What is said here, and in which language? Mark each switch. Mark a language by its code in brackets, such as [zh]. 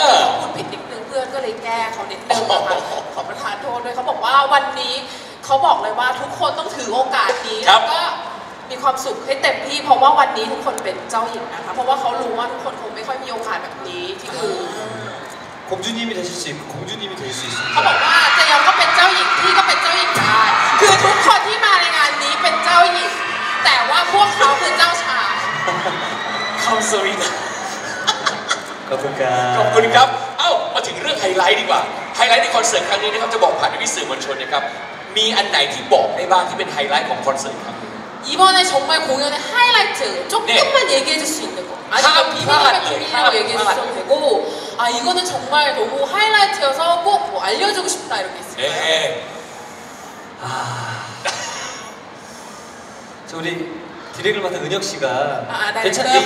[th] า พูดผิดนิดนึงเพื่อนก็เลยแก้เขานิดนึงนะคะขอประทานโทษด้วยเขาบอกว่าวันนี้เขาบอกเลยว่าทุกคนต้องถือโอกาสนี้ แล้วก็มีความสุขให้เต็มที่เพราะว่าวันนี้ทุกคนเป็นเจ้าหญิงนะคะเพราะว่าเขารู้ว่าทุกคนคงไม่ค่อยมีโอกาสแบบนี้ที่คือ [ko] 공주님이되실수있고공주님이될수있습니다 [th] เขาบอกว่าเจยองก็เป็นเจ้าหญิงพี่ก็เป็นเจ้าหญิงได้คือทุกคนที่มาในงานนี้เป็นเจ้าหญิงแต่ว่าพวกเขาคือเจ้าชาย คำสวีท ขอบคุณครับ ขอบคุณครับเอ้ามาถึงเรื่องไฮไลท์ดีกว่าไฮไลท์ในคอนเสิร์ตครั้งนี้นะครับจะบอกผ่านพี่สื่อมวลชนนะครับมีอันไหนที่บอกได้บ้างที่เป็นไฮไลท์ของคอนเสิร์ตครับ [ko] 이번에 정말 공연의 하이라이트 조금만 네. 얘기해 줄 수 있는 거 아니면 비밀하게 비밀하고 얘기해 주셔도 되고 아 이거는 정말 너무 하이라이트여서 꼭 뭐 알려주고 싶다 이렇게 있을까요? 네. 아... 저 우리 디렉을 맡은 은혁 씨가 괜찮아요?